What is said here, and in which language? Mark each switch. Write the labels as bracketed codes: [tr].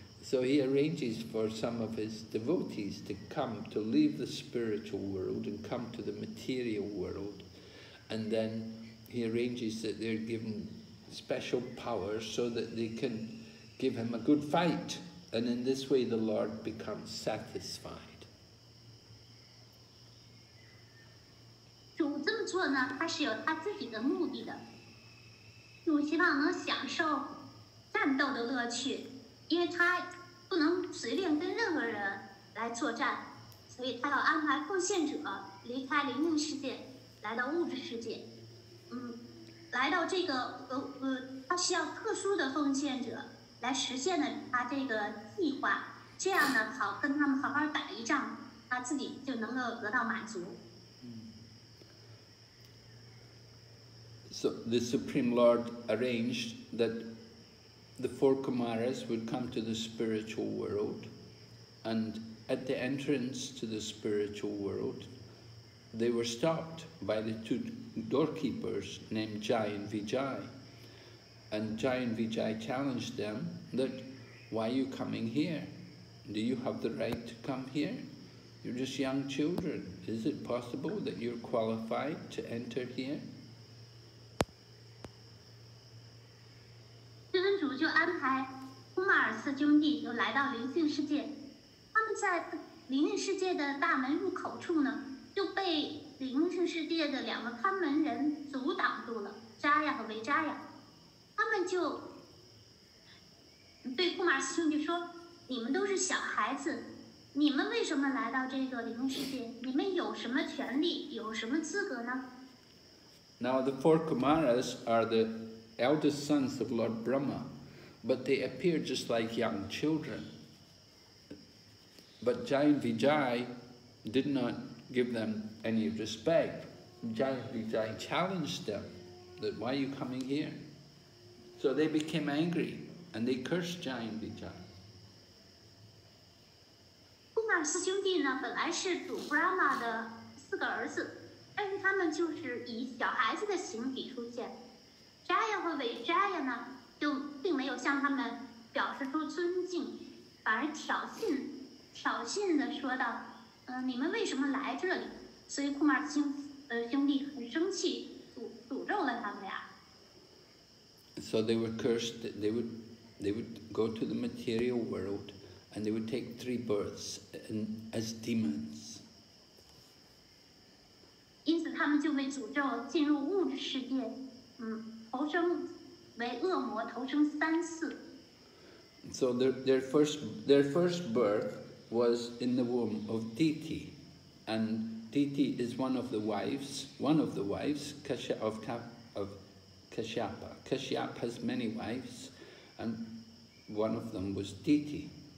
[en] So he arranges for some of his devotees to come to leave the spiritual world and come to the material world. And then he arranges that they're given special powers so that they can give him a good fight. And in this way, the Lord becomes satisfied. [zh] 主这么做呢，他是有他自己的目的的。主希望能享受战斗的乐趣，因为他不能随便跟任何人来作战，所以他要安排奉献者离开灵性世界，来到物质世界。来到这个他需要特殊的奉献者来实现的他这个计划，这样呢，好跟他们好好打一仗，他自己就能够得到满足。 [en] So the Supreme Lord arranged that the four Kumaras would come to the spiritual world, and at the entrance to the spiritual world, they were stopped by the two doorkeepers named Jai and Vijay. And Jai and Vijay challenged them that, why are you coming here? Do you have the right to come here? You're just young children. Is it possible that you're qualified to enter here? [zh] 就安排库马尔斯兄弟又来到灵性世界，他们在灵性世界的大门入口处呢，就被灵性世界的两个看门人阻挡住了，扎亚和维扎亚，他们就对库马尔斯兄弟说，你们都是小孩子，你们为什么来到这个灵性世界，你们有什么权利，有什么资格呢？ [en] Now the four Kumaras are the eldest sons of Lord BrahmaBut they appear just like young children. But Jai and Vijay did not give them any respect. Jai and Vijay challenged them, that why are you coming here? So they became angry and they cursed Jai and Vijay. [zh] Kumar 四兄弟呢，本来是主 Brahma 的四个儿子，但是他们就是以小孩子的形体出现。 Jaya 和 Vijaya 呢？就并没有向他们表示出尊敬，反而挑衅地说道，你们为什么来这里？所以库马尔兄弟很生气，诅咒了他们俩。 [en] So they were cursed, they would go to the material world, and they would take three births as demons. [zh] 因此他们就被诅咒进入物质世界，投生为恶魔，投生三次。 [en] So their first birth was in the womb of Diti, and Diti is one of the wives, Kashyapa. Kashyapa has many wives, and one of them was Diti.